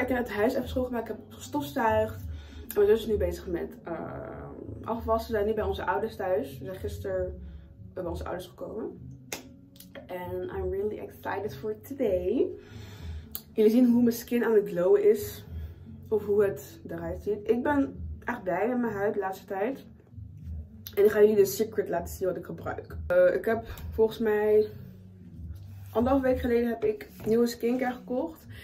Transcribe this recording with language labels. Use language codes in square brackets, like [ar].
[nl] Ik heb het huis even schoongemaakt. Ik heb gestofzuigd. En mijn zus is nu bezig met afwassen. We zijn nu bij onze ouders thuis. We zijn gisteren bij onze ouders gekomen. [en] En I'm really excited for today. [nl] Jullie zien hoe mijn skin aan het glowen is. Of hoe het eruit ziet. Ik ben echt blij met mijn huid de laatste tijd. En ik ga jullie de secret laten zien wat ik gebruik. Ik heb volgens mij 1,5 week geleden heb ik nieuwe skincare gekocht.